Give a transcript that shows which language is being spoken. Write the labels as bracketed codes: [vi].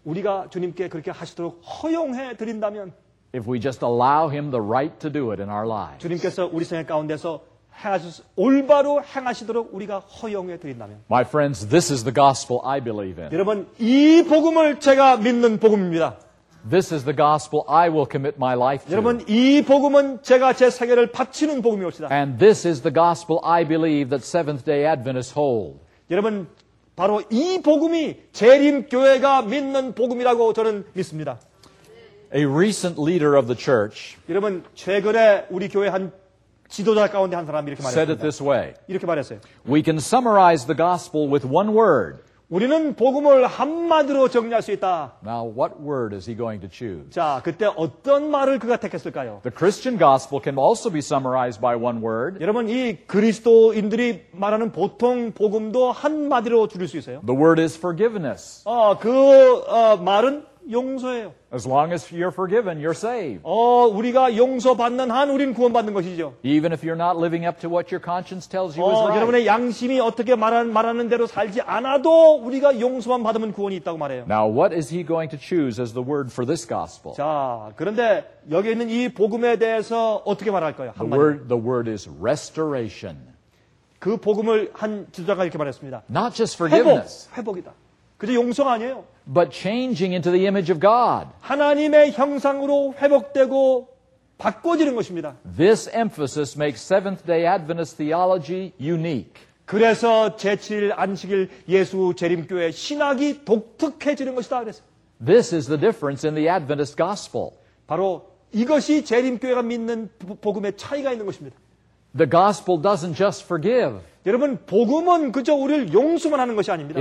[ko] 우리가 주님께 그렇게 하시도록 허용해 드린다면. [en] If we just allow him the right to do it in our lives. [ko] 주님께서 우리 생애 가운데서 올바로 행하시도록 우리가 허용해 드린다면. [en] My friends, this is the gospel I believe in. [ko] 여러분, 이 복음을 제가 믿는 복음입니다. [en] This is the gospel I will commit my life to. [ko] 여러분, 이 복음은 제가 제 생애를 바치는 복음이옵니다. [en] And this is the gospel I believe that Seventh-day Adventists hold. [ko] 여러분, 바로 이 복음이 재림교회가 믿는 복음이라고 저는 믿습니다. [en] A recent leader of the church. [ko] 여러분, 최근에 우리 교회 한 지도자 가운데 한 사람이 이렇게 말했습니다. [en] Said it this way. [ko] 이렇게 말했어요. [en] We can summarize the gospel with one word. [ko] 우리는 복음을 한마디로 정리할 수 있다. [en] Now what word is he going to choose? [ko] 자, 그때 어떤 말을 그가 택했을까요? [en] The Christian gospel can also be summarized by one word. [ko] 여러분 이 그리스도인들이 말하는 보통 복음도 한마디로 줄일 수 있어요? [en] The word is forgiveness. [ko] 아, 그 말은 용서예요. [en] As long as you're forgiven, you're saved. [ko] 어, 우리가 용서받는 한 우리는 구원받는 것이죠. [en] Even if you're not living up to what your conscience tells you is right. [ko] 여러분의 양심이 어떻게 말하는 대로 살지 않아도 우리가 용서만 받으면 구원이 있다고 말해요. [en] Now what is he going to choose as the word for this gospel? [ko] 자, 그런데 여기 있는 이 복음에 대해서 어떻게 말할 거예요? 한마디. [en] The word is restoration. [ko] 그 복음을 한 지도자가 이렇게 말했습니다. [en] Not just forgiveness. [ko] 회복이다. 그저 용서가 아니에요. [en] But changing into the image of God. [ko] 하나님의 형상으로 회복되고 바꿔지는 것입니다. [en] This emphasis makes Seventh-day Adventist theology unique. [ko] 그래서 제7일 안식일 예수 재림교회 신학이 독특해지는 것이다 그래서. [en] This is the difference in the Adventist gospel. [ko] 바로 이것이 재림교회가 믿는 복음의 차이가 있는 것입니다. [en] The gospel doesn't just forgive. [ko] 여러분, 복음은 그저 우리를 용서만 하는 것이 아닙니다.